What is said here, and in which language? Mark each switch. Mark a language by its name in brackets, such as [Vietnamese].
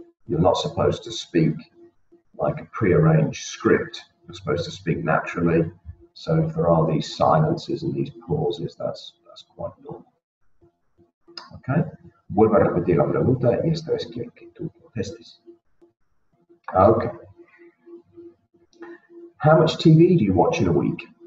[English] You're not supposed to speak like a pre-arranged script. You're supposed to speak naturally. So if there are these silences and these pauses, that's quite normal. Okay. [Spanish] Vuelvo a repetir la pregunta y esta vez quiero que tú contestes. [English] Okay. How much TV do you watch in a week?